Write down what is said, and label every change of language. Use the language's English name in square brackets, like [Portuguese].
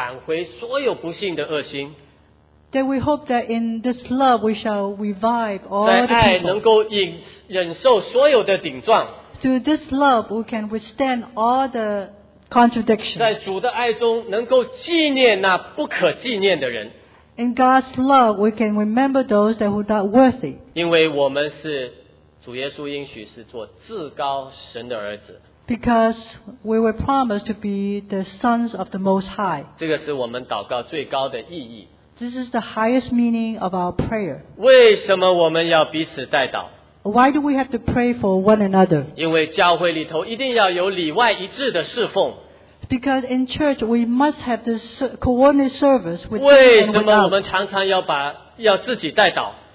[Chinese] 我们盼望在爱中能够挽回所有不幸的恶心。 [English] Then we hope that in this love we shall revive all the people. [Chinese] 在爱能够忍受所有的顶撞。 [English] Through this love, we can withstand all the contradictions. [Chinese] 在主的爱中能够纪念那不可纪念的人。 [English] In God's love, we can remember those that were not worthy. [Chinese] 因为我们是主耶稣应许是做至高神的儿子。 [English] Because we were promised to be the sons of the Most High. [Chinese] 这个是我们祷告最高的意义。 [English] This is the highest meaning of our prayer. [Chinese] 为什么我们要彼此代祷？ [English] Why do we have to pray for one another? [Chinese] 因为教会里头一定要有里外一致的侍奉。 [English] Because in church we must have this coordinated service with one another. [Chinese] 为什么我们常常要自己代祷？